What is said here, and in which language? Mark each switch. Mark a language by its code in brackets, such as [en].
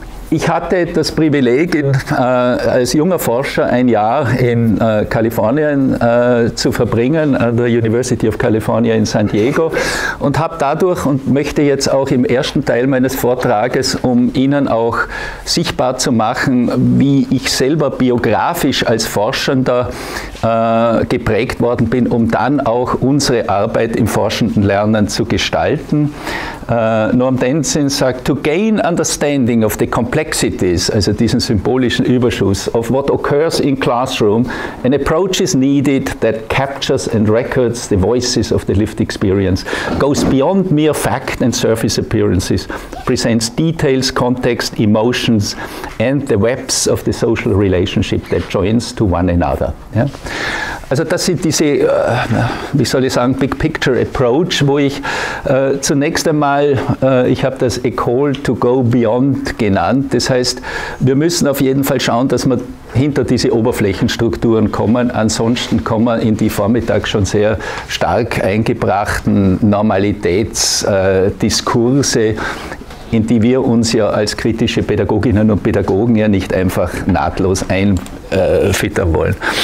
[de] Ich hatte das Privileg, als junger Forscher ein Jahr in Kalifornien zu verbringen, an der University of California in San Diego, und habe dadurch und möchte jetzt auch im ersten Teil meines Vortrages, um Ihnen auch sichtbar zu machen, wie ich selber biografisch als Forschender geprägt worden bin, um dann auch unsere Arbeit im forschenden Lernen zu gestalten. [en] Noam Dendzin sagt, to gain understanding of the complexities, [de] also diesen symbolischen Überschuss, [en] of what occurs in classroom, an approach is needed that captures and records the voices of the lived experience, goes beyond mere fact and surface appearances, presents details, context, emotions, and the webs of the social relationship that joins to one another. Yeah? [de] Also das sind diese, wie soll ich sagen, [en] Big Picture Approach, [de] wo ich zunächst einmal, ich habe das [en] A Call to Go Beyond [de] genannt. Das heißt, wir müssen auf jeden Fall schauen, dass wir hinter diese Oberflächenstrukturen kommen. Ansonsten kommen wir in die vormittags schon sehr stark eingebrachten Normalitätsdiskurse, in die wir uns ja als kritische Pädagoginnen und Pädagogen ja nicht einfach nahtlos einfüttern wollen.